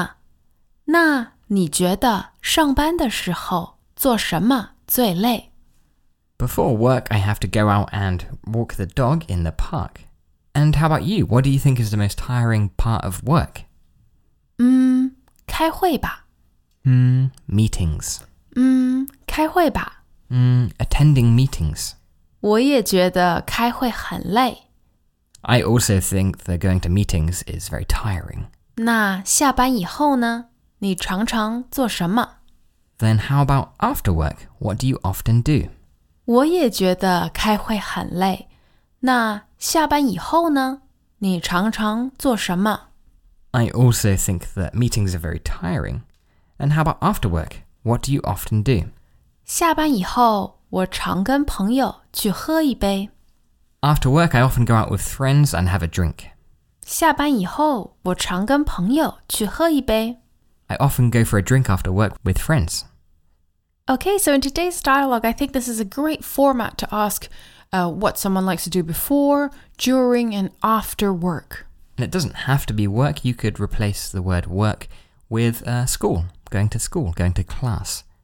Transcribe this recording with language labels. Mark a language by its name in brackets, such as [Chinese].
[Chinese] 我上班以前都得去公园遛狗呢。那你觉得上班的时候做什么最累? [English] Before work, I have to go out and walk the dog in the park. And how about you? What do you think is the most tiring part of work? [Chinese] 开会吧。 [English] Meetings. [Chinese] 开会吧。 [English] Attending meetings. [Chinese] 我也觉得开会很累。 [English] I also think that going to meetings is very tiring. [Chinese] 那下班以后呢？你常常做什么？ [English] Then how about after work? What do you often do? [Chinese] 我也觉得开会很累。那下班以后呢？你常常做什么？ [English] I also think that meetings are very tiring. And how about after work? What do you often do? [Chinese] 下班以后，我常跟朋友去喝一杯。 [English] After work, I often go out with friends and have a drink. [Chinese] 下班以后，我常跟朋友去喝一杯。 [English] I often go for a drink after work with friends. Okay, so in today's dialogue, I think this is a great format to ask what someone likes to do before, during, and after work. And it doesn't have to be work. You could replace the word work with school, going to class.